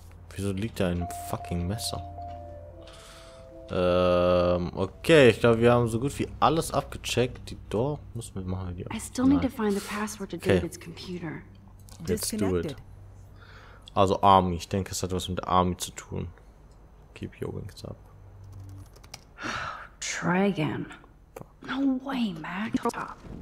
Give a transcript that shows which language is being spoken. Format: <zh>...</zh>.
<de>Wieso liegt da ein fucking Messer? Okay, ich glaube, wir haben so gut wie alles abgecheckt. Die Door müssen wir machen.</de> <en>I still need to find the password to David's computer. Let's do it.</en> <de>Also Army, ich denke, es hat was mit Army zu tun.</de> <en>Keep your wings up. Try again. No way, Max. Stop.</en>